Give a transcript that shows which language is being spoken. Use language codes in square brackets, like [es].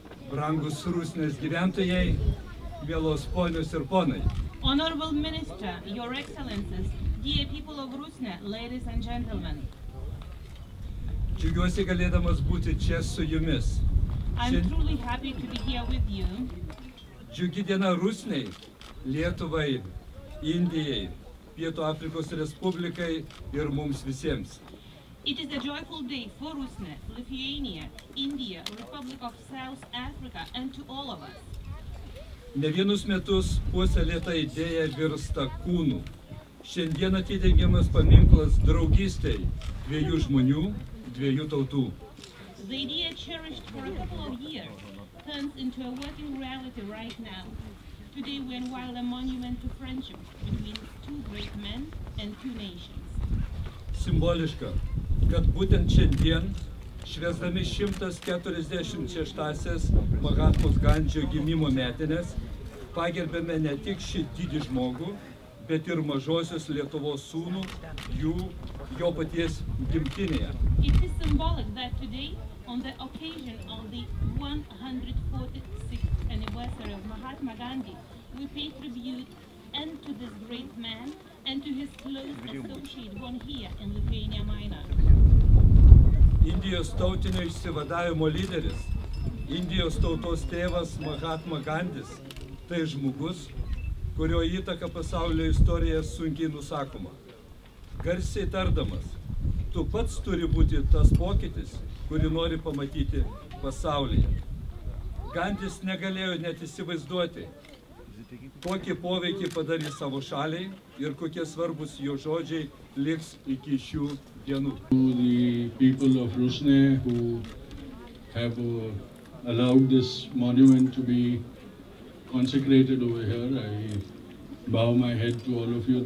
[lt] brangūs Rusnės gyventojai, mielos ponios ir ponai. [en] Honorable Minister, Your Excellencies, dear people of Rusne, ladies and gentlemen. [lt] Džiaugiuosi galėdamas būti čia su jumis. [en] I'm truly happy to be here with you. [lt] Džiugi diena Rusnei, Lietuvai, Indijai, Pietų Afrikos Respublikai ir mums visiems. [en] It is a joyful day for Rusne, Lithuania, India, Republic of South Africa and to all of us. [lt] Ne vienus metus puoselėta idėja virsta kūnu. Šiandien atidengiamas paminklas draugystei dviejų žmonių, dviejų tautų. [en] The idea cherished for a couple of years turns into a working reality right now. Today we unveil a monument to friendship between two great men and two nations. [lt] Simboliška, kad būtent šiandien, švesdami 146-asias Mahatmos Gandžio gimimo metines, pagerbėme ne tik šį didį žmogų, bet ir mažosios Lietuvos sūnų, jo paties gimtinėje. [en] It is symbolic that today, on the occasion of the 146th anniversary of Mahatma Gandhi, we pay tribute and to this great man and to his close associate, one here in Lithuania Minor. [lt] Indijos tautinio išsivadavimo lyderis, Indijos tautos tėvas Mahatma Gandis, tai žmogus, kurio įtaka pasaulio istorija sunkiai nusakoma. Garsiai tardamas, tu pats turi būti tas pokytis, kurį nori pamatyti pasaulyje. Gandis negalėjo net įsivaizduoti, kokį poveikį padarys savo šaliai ir kokie svarbus jo žodžiai liks iki šių dienų. [en] To the people of Rusne who have allowed this monument to be consecrated over here, I bow my head to all of you.